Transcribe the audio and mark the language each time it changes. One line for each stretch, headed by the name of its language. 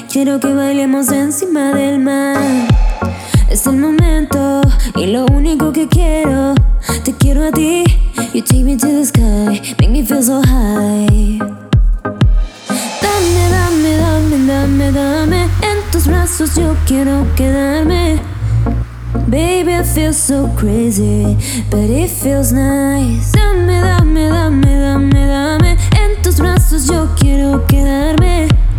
Spanish: Quiero que bailemos encima del mar. Es el momento, y lo único que quiero. Te quiero a ti,
English: you take me to the sky. Make me feel so high.
Spanish: Dame, dame, dame, dame, dame. En tus brazos yo quiero quedarme.
English: Baby, I feel so crazy, but it feels nice.
Spanish: Dame, dame, dame, dame, dame. En tus brazos yo quiero quedarme.